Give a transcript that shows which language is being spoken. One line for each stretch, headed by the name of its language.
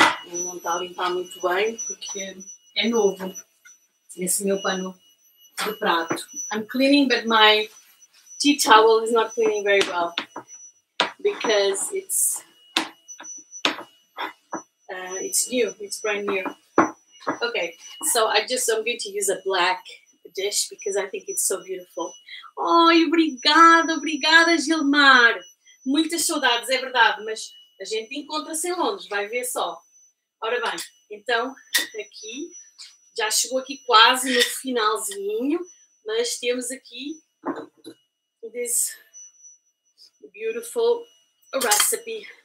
Portuguese: Não está a limpar muito bem, porque é novo, esse meu pano de prato.
English: I'm cleaning, but my tea towel is not cleaning very well, because it's new, it's brand new. Okay, so I'm going to use a black dish, because I think it's so beautiful.
Portuguese: Oh, obrigada, Gilmar. Muitas saudades, é verdade, mas a gente encontra-se em Londres, vai ver só. Ora bem, então, aqui, já chegou aqui quase no finalzinho, mas temos aqui
English: this beautiful recipe.